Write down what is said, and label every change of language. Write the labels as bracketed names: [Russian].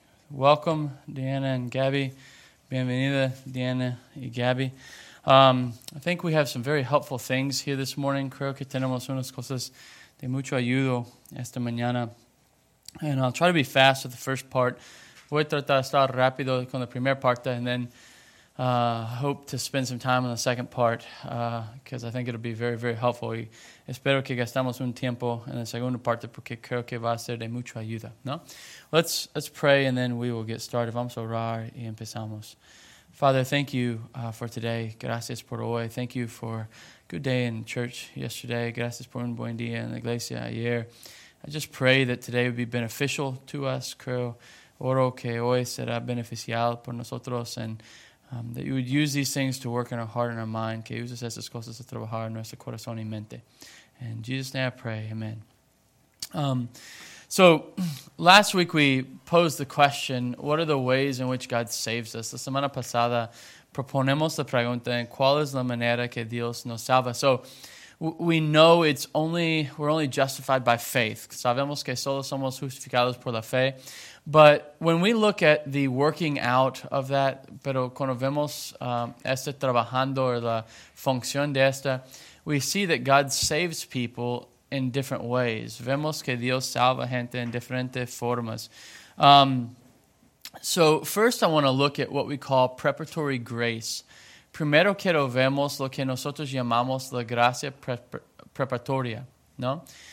[English] Welcome, Deanna and Gabby. [Spanish] Bienvenida, Deanna y Gabby. [English] I think we have some very helpful things here this morning. [Spanish] Creo que tenemos unas cosas de mucho ayuda esta mañana. [English] And I'll try to be fast with the first part. [Spanish] Voy a tratar de estar rápido con la primera parte, [English] and then hope to spend some time on the second part, because I think it'll be very, very helpful. [Spanish] Y espero que gastamos un tiempo en la segunda parte, porque creo que va a ser de mucha ayuda, ¿no? [English] Let's pray, and then we will get started. [Spanish] Vamos a orar y empezamos. [English] Father, thank you for today. [Spanish] Gracias por hoy. [English] Thank you for a good day in church yesterday. [Spanish] Gracias por un buen día en la iglesia ayer. [English] I just pray that today would be beneficial to us. [Spanish] Creo, oro que hoy será beneficial por nosotros, [English] and that you would use these things to work in our heart and our mind. [Spanish] Que uses estas cosas a trabajar en nuestro corazón y mente. [English] In Jesus' name I pray, amen. So, last week we posed the question, what are the ways in which God saves us? [Spanish] La semana pasada proponemos la pregunta, ¿cuál es la manera que Dios nos salva? [English] So, we know we're only justified by faith. [Spanish] Sabemos que solo somos justificados por la fe. [English] But when we look at the working out of that, [Spanish] pero cuando vemos este trabajando o la función de esta, [English] we see that God saves people in different ways. [Spanish] Vemos que Dios salva gente en diferentes formas. [English] So first I want to look at what we call preparatory grace. [Spanish] Primero quiero vemos lo que nosotros llamamos la gracia preparatoria, ¿no?